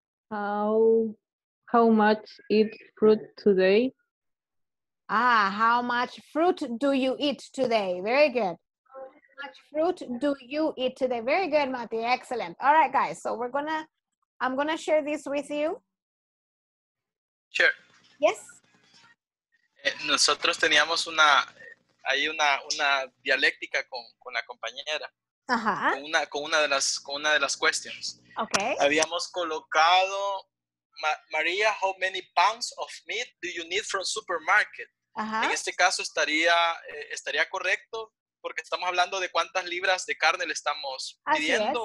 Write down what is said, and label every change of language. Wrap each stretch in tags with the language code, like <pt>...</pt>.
<en>How much eat fruit today? Ah, how much fruit do you eat today? Very good. How much fruit do you eat today? Very good, Mati. Excellent. All right, guys. So we're going to, I'm going to share this with you. Sure. Yes.</en> <es>Nosotros teníamos una, hay una dialéctica con la compañera. Ajá. Con una de las questions.</es> <en>Okay.</en> <es>Habíamos colocado,</es> <en>María, how many pounds of meat do you need from supermarket?</en> <es>Ajá. En este caso estaría correcto. Porque estamos hablando de cuántas libras de carne le estamos pidiendo,</es>